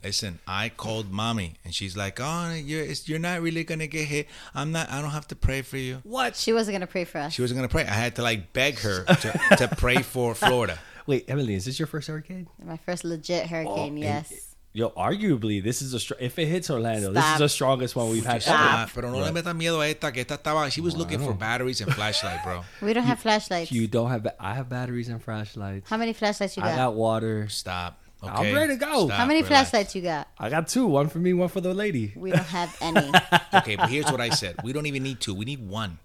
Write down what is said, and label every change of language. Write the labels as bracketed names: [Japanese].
[English] Listen, I called mommy and she's like, oh, you're not really going to get hit. I don't have to pray for you. What? She wasn't going to pray for us. She wasn't going to pray. I had to like beg her to pray for Florida. Wait, Emily, is this your first hurricane? My first legit hurricane, yes. Yo, arguably, this is if it hits Orlando, this is the strongest one we've had. [Spanish] Pero no le metas miedo a esta que esta estaba. [English] She was looking for batteries and flashlight, bro. We don't have flashlights. You don't have. I have batteries and flashlights. How many flashlights you got? I got water. Stop. Okay. I'm ready to go. Stop. How many flashlights you got? I got two. One for me, one for the lady. We don't have any. Okay, but here's what I said. We don't even need two. We need one.